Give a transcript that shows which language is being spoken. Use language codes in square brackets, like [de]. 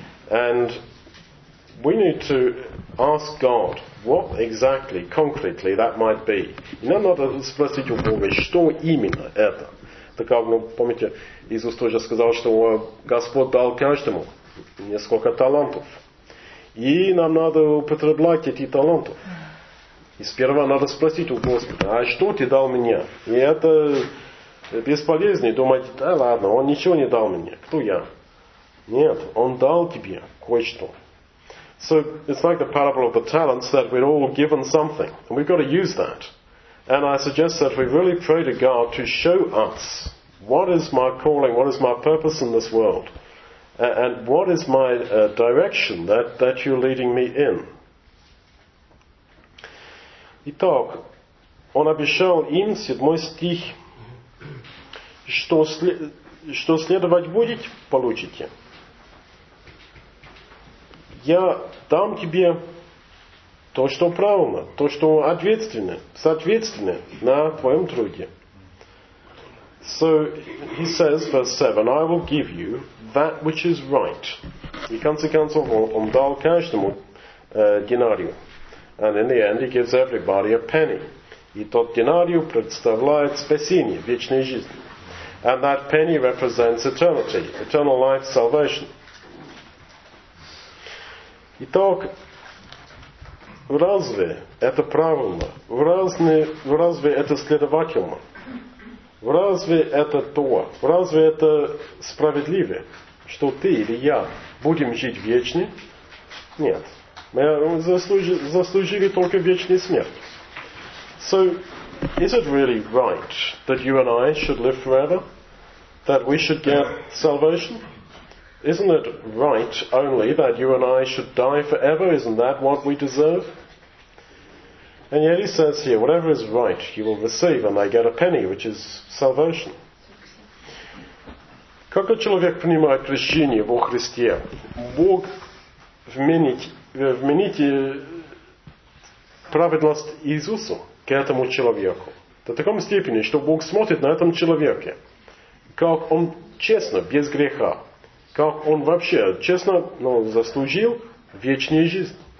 [en] And we need to ask God what exactly, concretely, that might be. [ru] Нам надо спросить у Бога, что именно это. Так как, ну, помните, Иисус тоже сказал, что Господь дал каждому несколько талантов. И нам надо употреблять эти таланты. И сперва надо спросить у Господа, а что ты дал мне? И это бесполезнее думать, да ладно, он ничего не дал мне, кто я? Нет, он дал тебе кое-что. [en] So it's like the parable of the talents, that we're all given something, and we've got to use that. And I suggest that we really pray to God to show us, what is my calling, what is my purpose in this world, and what is my direction that you're leading me in. [ru] Итак, он обещал им, седьмой стих, что следовать будет, получите. Я дам тебе то, что правильно, то, что ответственно, соответственно на твоем труде. [en] So he says, verse 7, I will give you that which is right. [ru] И в конце концов он дал каждому динарию. [en] And in the end, he gives everybody a penny. [ru] И тот динарий представляет спасение, вечную жизнь. [en] And that penny represents eternity, eternal life, salvation. [ru] Итак, разве это правильно? Разве это следовательно? Разве это то? Разве это справедливо, что ты или я будем жить вечно? Нет. Мы заслужили только вечную смерть. [en] So, is it really right that you and I should live forever? That we should get salvation? Isn't it right only that you and I should die forever? Isn't that what we deserve? And yet he says here, whatever is right, you will receive, and I get a penny, which is salvation. [ru] Как человек принимает крещение во Христе? Бог вмените праведность Иисусу к этому человеку. До такой степени, что Бог смотрит на этом человеке, как он честно, без греха, как он вообще честно, но заслужил вечную жизнь.